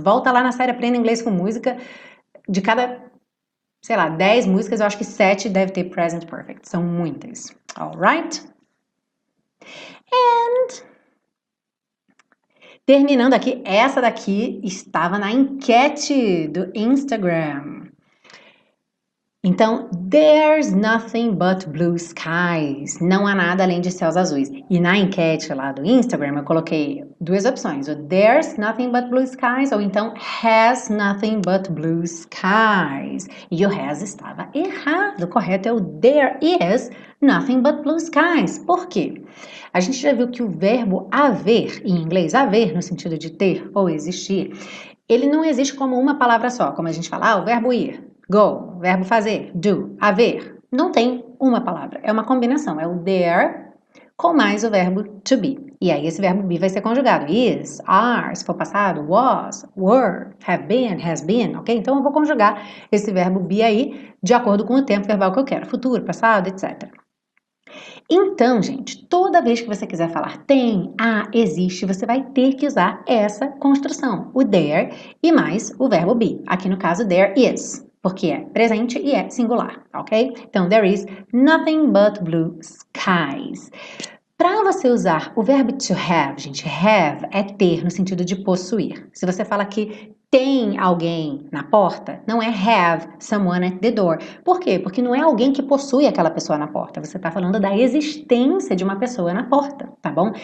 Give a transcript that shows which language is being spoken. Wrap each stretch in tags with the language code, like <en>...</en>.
<pt>Volta lá na série Aprenda Inglês com Música, de cada, sei lá, 10 músicas, eu acho que 7 deve ter present perfect, são muitas.</pt> <en>All right?</en> <pt>Terminando aqui, essa daqui estava na enquete do Instagram. Então,</pt> <en>there's nothing but blue skies.</en> <pt>Não há nada além de céus azuis. E na enquete lá do Instagram, eu coloquei duas opções: o</pt> <en>there's nothing but blue skies,</en> <pt>ou então</pt> <en>has nothing but blue skies.</en> <pt>E o has estava errado. O correto é o</pt> <en>there is nothing but blue skies.</en> <pt>Por quê? A gente já viu que o verbo haver, em inglês, haver, no sentido de ter ou existir, ele não existe como uma palavra só, como a gente fala, ah, o verbo ir. Go, verbo fazer, do, haver. Não tem uma palavra, é uma combinação. É o there com mais o verbo to be. E aí esse verbo be vai ser conjugado. Is, are, se for passado, was, were, have been, has been, ok? Então eu vou conjugar esse verbo be aí de acordo com o tempo verbal que eu quero. Futuro, passado, etc. Então, gente, toda vez que você quiser falar tem, há, existe, você vai ter que usar essa construção, o there e mais o verbo be. Aqui no caso,</pt> <en>there is.</en> <pt>Porque é presente e é singular, ok? Então,</pt> <en>there is nothing but blue skies.</en> <pt>Para você usar o verbo to have, gente, have é ter no sentido de possuir. Se você fala que tem alguém na porta, não é</pt> <en>have someone at the door.</en> <pt>Por quê? Porque não é alguém que possui aquela pessoa na porta. Você está falando da existência de uma pessoa na porta, tá bom?</pt>